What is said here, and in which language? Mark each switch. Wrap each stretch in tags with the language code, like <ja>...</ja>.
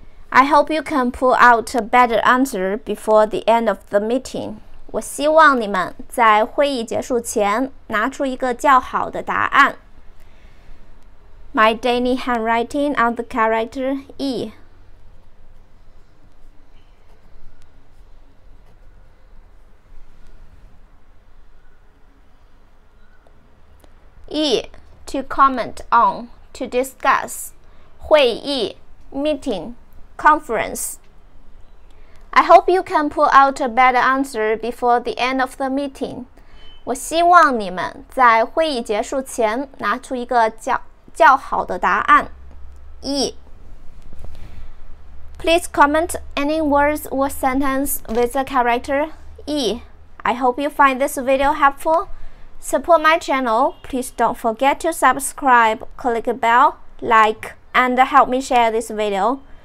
<en>I hope you can pull out a better answer before the end of the meeting.</en> <zh>我希望你们在会议结束前拿出一个较好的答案。</zh> <en>My daily handwriting on the character E. E, to comment on, to discuss, 会议 meeting, conference. I hope you can pull out a better answer before the end of the meeting.</en> <zh>我希望你们在会议结束前拿出一个较好的答案。</zh> <en>E. Please comment any words or sentence with the character E. I hope you find this video helpful. Support my channel. Please don't forget to subscribe, click the bell, like, and help me share this video.</en>